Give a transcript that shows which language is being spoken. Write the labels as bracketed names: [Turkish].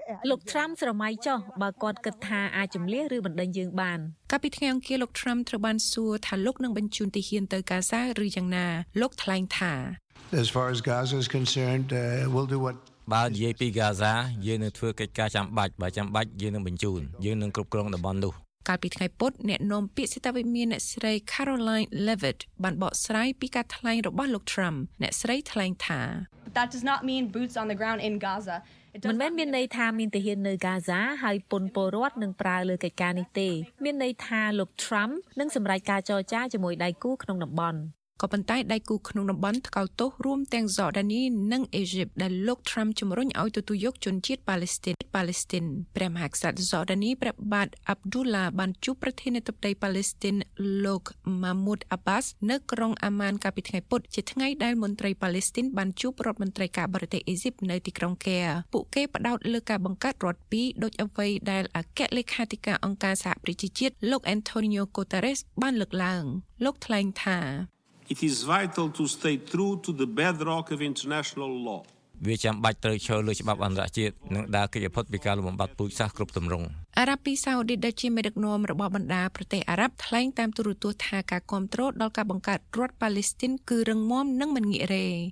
[Khmer] លោក Trump ស្រមៃចោះបើគាត់គិតថាអាចជម្លៀសឬបណ្ដេញយើងបាន កាលពីថ្ងៃអង្គារលោក Trump ត្រូវបានសួរថាលោកនឹងបញ្ជូនទាហានទៅកាសាឬយ៉ាងណាលោកថ្លែងថា [English] As far as Gaza is concerned, we'll do what [Khmer] បាទនិយាយពីហ្គាហ្សាយើងនឹងធ្វើកិច្ចការចាំបាច់បើចាំបាច់យើងនឹងបញ្ជូនយើងនឹងគ្រប់គ្រងតំបន់នោះ កាលពីថ្ងៃពុធអ្នកនាំពាក្យសេតវិមានអ្នកស្រី Caroline Levitt បានបកស្រាយពីការថ្លែងរបស់លោក Trump អ្នកស្រីថ្លែងថា [English] But that does not mean boots on the ground in Gaza [Khmer] មិនមែនមានន័យថាមានទាហាននៅហ្គាហ្សាហើយពលពលរដ្ឋនឹងប្រើលើកិច្ចការនេះទេមានន័យថាលោក Trump នឹងសម្រេចការចរចាជាមួយដៃគូក្នុងតំបន់ ក៏ប៉ុន្តែដៃគូក្នុងតំបន់ថ្កោលទោសរួមទាំងសូដានីនិងអេហ្ស៊ីបដែលលោក Trump ជំរុញឲ្យទទួលយកជនជាតិប៉ាឡេស្ទីនព្រះមហាក្សត្រសូដានីព្រះបាទ Abdullah បានជួបប្រធានាធិបតីប៉ាឡេស្ទីនលោក Mahmoud Abbas នៅក្រុងអាម៉ានកាលពីថ្ងៃពុធជាថ្ងៃដែលមន្ត្រីប៉ាឡេស្ទីនបានជួបរដ្ឋមន្ត្រីការបរទេសអេហ្ស៊ីបនៅទីក្រុងកែពួកគេផ្តោតលើការបង្កើតរដ្ឋពីរដូចអ្វីដែលអគ្គលេខាធិការអង្គការសហប្រជាជាតិលោក Antonio Guterres បានលើកឡើងលោកថ្លែងថា [English] It is vital to stay true to the bedrock of international law. [Khmer] វាចាំបាច់ត្រូវឈរលើច្បាប់អន្តរជាតិនិងដើរគិតផុតពីការលំបាត់ពូជសាសន៍គ្រប់ទម្រង់ អារ៉ាប៊ីសាអូឌីតដែលជាមេដឹកនាំរបស់បណ្ដាប្រទេសអារ៉ាប់ថ្លែងតាមទូរទស្សន៍ថាការគ្រប់គ្រងដល់ការបង្កើតរដ្ឋប៉ាឡេស្ទីនគឺរឹងមាំនិងមិនងាករេ